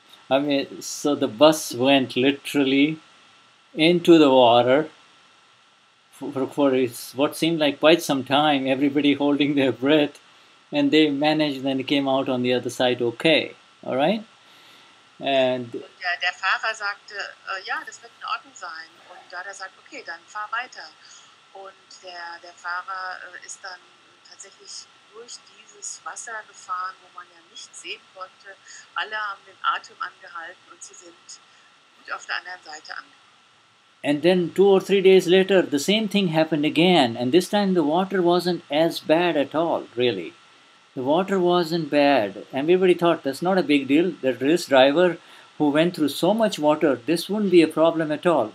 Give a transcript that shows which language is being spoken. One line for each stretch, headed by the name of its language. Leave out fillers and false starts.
English: I mean, so the bus went literally into the water for what seemed like quite some time, everybody holding their breath, and they managed and came out on the other side okay. All right? And
German: der Fahrer sagte, ja, das wird in Ordnung sein. Und Dada sagt, okay, dann fahr weiter. Und der Fahrer ist dann tatsächlich durch dieses Wasser gefahren, wo man ja nichts sehen konnte. Alle haben den Atem angehalten und sie sind gut auf der anderen Seite angekommen.
English: And then 2 or 3 days later, the same thing happened again. And this time the water wasn't as bad at all, really. The water wasn't bad. Everybody thought, that's not a big deal. The race driver who went through so much water, this wouldn't be a problem at all.